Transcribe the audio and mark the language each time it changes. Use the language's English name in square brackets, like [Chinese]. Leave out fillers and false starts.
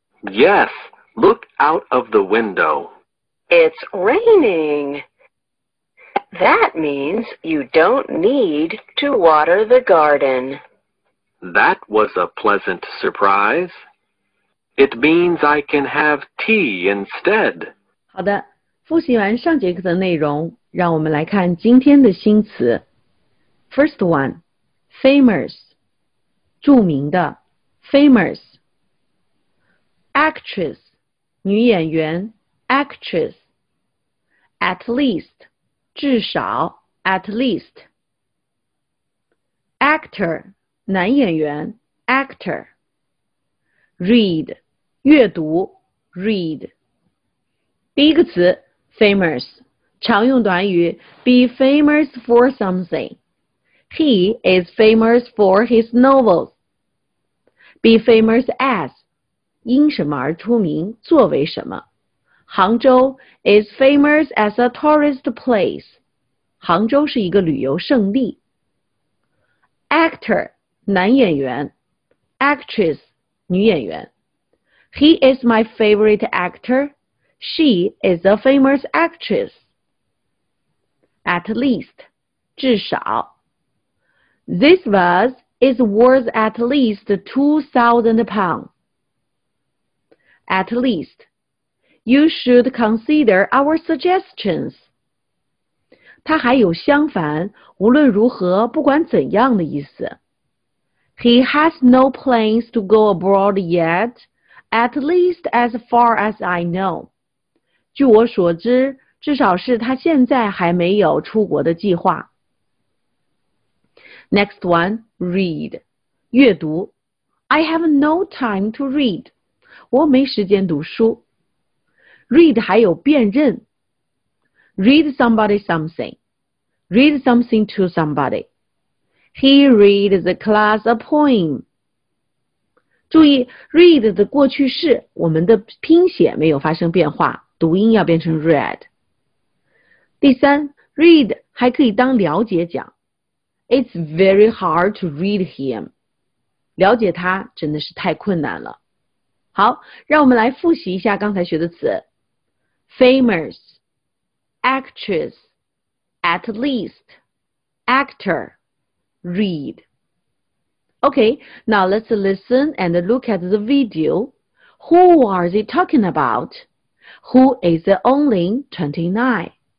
[English] Yes, look out of the window. It's raining. That means you don't need to water the garden. That was a pleasant surprise. It means I can have tea instead. [Chinese] 好的，复习完上节课的内容，让我们来看今天的新词。 [English] First one, famous, 著名的 famous. Actress, 女演员 actress. At least, 至少 at least. Actor, 男演员 actor. Read, 阅读 read. [Chinese] 第一个词 famous, 常用短语 [English] be famous for something. He is famous for his novels. Be famous as, [Chinese] 因什么而出名，作为什么。 [English] 杭州 is famous as a tourist place. [Chinese] 杭州是一个旅游胜地。Actor, 男演员。 Actress, 女演员。 [English] He is my favorite actor. She is a famous actress. At least, 至少。 This vase is worth at least 2,000 pounds. At least. You should consider our suggestions. [Chinese] 他还有相反，无论如何，不管怎样的意思。 [English] He has no plans to go abroad yet, at least as far as I know. [Chinese] 据我所知，至少是他现在还没有出国的计划。 [English] Next one, read. 阅读。I have no time to read. [Chinese] 我没时间读书。 Read 还有辨认 [English] Read somebody something. Read something to somebody. He read the class a poem. [Chinese] 注意 read 的过去式，我们的拼写没有发生变化，读音要变成 read. 第三 read 还可以当了解讲 [English] It's very hard to read him. [Chinese] 了解他真的是太困难了。好，让我们来复习一下刚才学的词。 [English] Famous, actress, at least, actor, read. Okay, now let's listen and look at the video. Who are they talking about? Who is only 29?